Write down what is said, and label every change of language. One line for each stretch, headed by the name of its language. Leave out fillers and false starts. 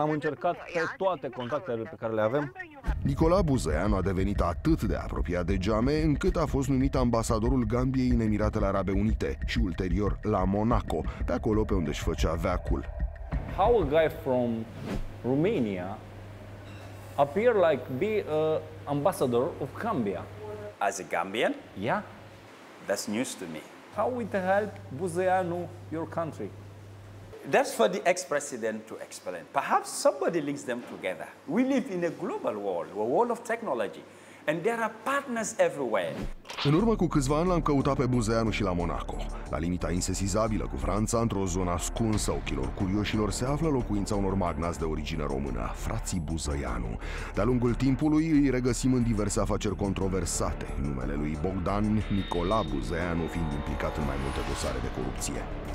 Romanian: Am încercat pe toate contactele pe care le avem. Nicolae Buzăianu a devenit atât de apropiat de Jame încât a fost numit ambasadorul Gambiei în Emiratele Arabe Unite și ulterior la Monaco, pe acolo pe unde își făcea veacul.
English: How a guy from Romania appear like be a ambassador of Gambia? As a Gambian? Yeah. That's news to me. How would it help Buzăianu your country? That's for the ex-president to explain. Perhaps somebody links them together. We live in a global world, a world of technology. And there are partners everywhere.
Romanian: În urmă cu câțiva ani l-am căutat pe Buzăianu și la Monaco. La limita insesizabilă cu Franța, într-o zonă ascunsă ochilor curioșilor, se află locuința unor magnați de origine română, frații Buzăianu. De-a lungul timpului îi regăsim în diverse afaceri controversate, numele lui Bogdan, Nicola Buzăianu fiind implicat în mai multe dosare de corupție.